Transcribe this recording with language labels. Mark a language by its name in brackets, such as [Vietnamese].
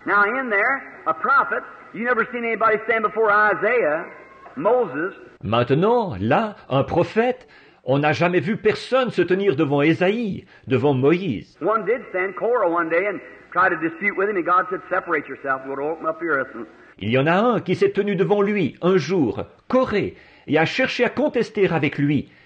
[English] Now in there, a prophet, you never seen anybody stand before Isaiah, Moses. [French] Maintenant, là, un prophète, on n'a jamais vu personne se tenir devant Ésaïe, devant Moïse. [English] One did stand Korah one day and try to dispute with him, and God said, "Separate yourself, we'll open up your essence." [French] Il y en a un qui s'est tenu devant lui un jour, Corée, et a cherché à contester avec lui.